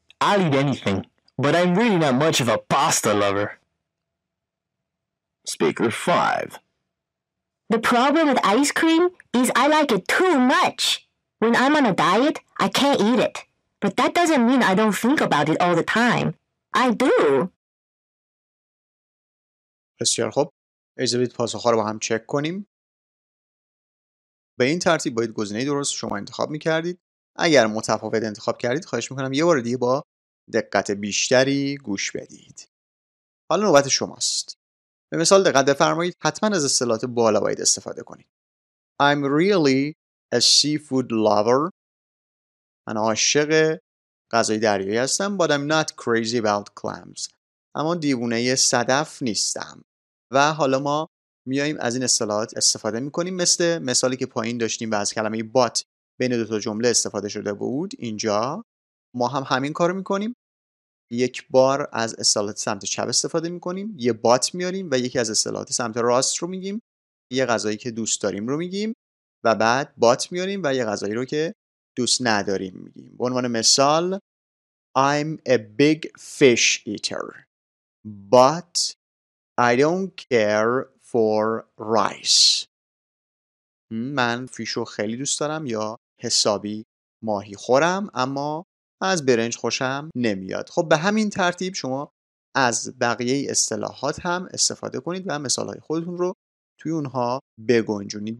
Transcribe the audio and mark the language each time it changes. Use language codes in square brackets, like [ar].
[en] I'll eat anything, but I'm really not much of a pasta lover. Speaker 5. The problem with ice cream is I like it too much. When I'm on a diet, I can't eat it. But that doesn't mean I don't think about it all the time. I do. [fa] بسیار خوب. اجازه بدید پاسخ ها رو با هم چک کنیم. به این ترتیب باید گزینه درست شما انتخاب میکردید. اگر متفاوت انتخاب کردید، خواهش میکنم یه بار دیگه با دقت بیشتری گوش بدید. حالا نوبت شماست. به مثال دقت بفرمایید، حتما از اصطلاحات بالا باید استفاده کنید. [en] I'm really a seafood lover. [fa] من عاشق غذای دریایی هستم. [en] But I'm not crazy about clams. [fa] اما دیوونه صدف نیستم. و حالا ما میاییم از این اصطلاحات استفاده میکنیم، مثل مثالی که پایین داشتیم و از کلمه but بین دوتا جمله استفاده شده بود. اینجا ما هم همین کار میکنیم، یک بار از اصطلاحات سمت چپ استفاده میکنیم، یه بات میاریم و یکی از اصطلاحات سمت راست رو میگیم، یه غذایی که دوست داریم رو میگیم و بعد بات میاریم و یه غذایی رو که دوست نداریم میگیم. به عنوان مثال، [en] I'm a big fish eater, but I don't care for rice. [fa] من فیش رو خیلی دوست دارم یا حسابی ماهی خورم، اما از برنج خوشم نمیاد. خب به همین ترتیب شما از بقیه اصطلاحات هم استفاده کنید و مثالهای خودتون رو توی اونها بگنجونید.